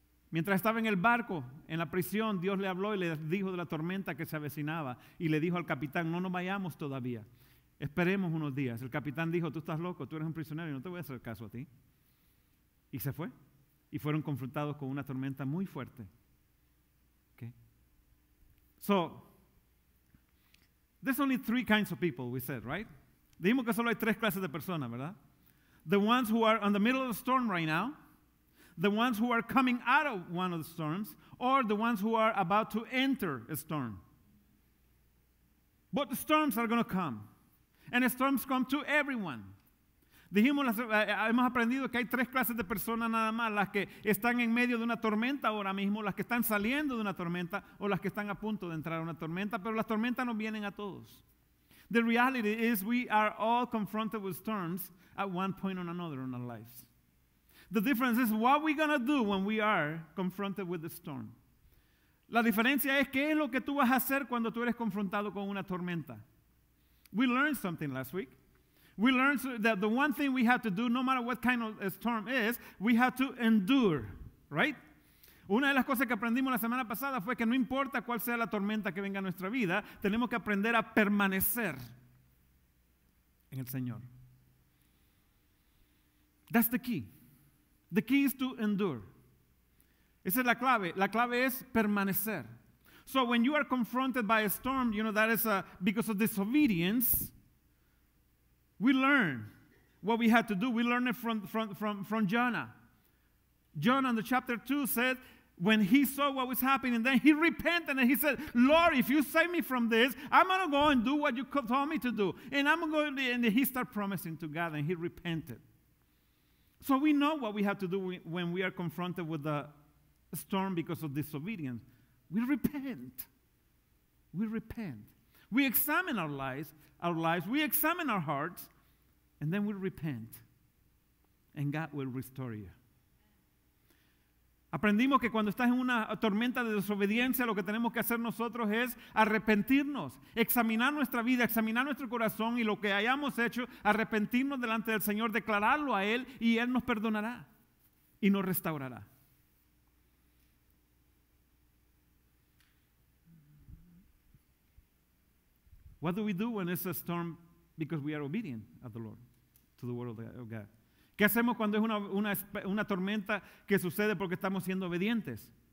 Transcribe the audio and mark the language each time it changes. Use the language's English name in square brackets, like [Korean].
[Spanish] Mientras estaba en el barco, en la prisión, Dios le habló y le dijo de la tormenta que se avecinaba. Y le dijo al capitán, no nos vayamos todavía, esperemos unos días. El capitán dijo, tú estás loco, tú eres un prisionero y no te voy a hacer caso a ti. Y se fue. Y fueron confrontados con una tormenta muy fuerte. ¿Qué? [English] So, there's only three kinds of people, we said, right? [Spanish] Dijimos que solo hay tres clases de personas, ¿verdad? [English] The ones who are in the middle of the storm right now, the ones who are coming out of one of the storms, or the ones who are about to enter a storm. But the storms are going to come. And the storms come to everyone. [Spanish] Dijimos, hemos aprendido que hay tres clases de personas nada más, las que están en medio de una tormenta ahora mismo, las que están saliendo de una tormenta, o las que están a punto de entrar a una tormenta, pero las tormentas no vienen a todos. [English] The reality is we are all confronted with storms at one point or another in our lives. The difference is what we're going to do when we are confronted with the storm. [Spanish] La diferencia es qué es lo que tú vas a hacer cuando tú eres confrontado con una tormenta. [English] We learned something last week. We learned that the one thing we have to do, no matter what kind of storm is, we have to endure, right? [Spanish] Una de las cosas que aprendimos la semana pasada fue que no importa cuál sea la tormenta que venga a nuestra vida, tenemos que aprender a permanecer en el Señor. [English] That's the key. The key is to endure. [Spanish] Esa es la clave. La clave es permanecer. [English] So when you are confronted by a storm, you know, that is because of disobedience, we learn what we had to do. We learn it from Jonah. Jonah in the chapter 2 said, when he saw what was happening, then he repented and he said, Lord, if you save me from this, I'm going to go and do what you told me to do. And I'm going to, and he started promising to God and he repented. So we know what we have to do when we are confronted with a storm because of disobedience. We repent. We repent. We examine our lives, we examine our hearts, and then we repent. And God will restore you. [Spanish] Aprendimos que cuando estás en una tormenta de desobediencia, lo que tenemos que hacer nosotros es arrepentirnos, examinar nuestra vida, examinar nuestro corazón y lo que hayamos hecho, arrepentirnos delante del Señor, declararlo a Él y Él nos perdonará y nos restaurará. [English] What do we do when it's a storm because we are obedient to the Lord, to the word of God? [Spanish] ¿Qué hacemos cuando es una tormenta que sucede porque estamos siendo obedientes?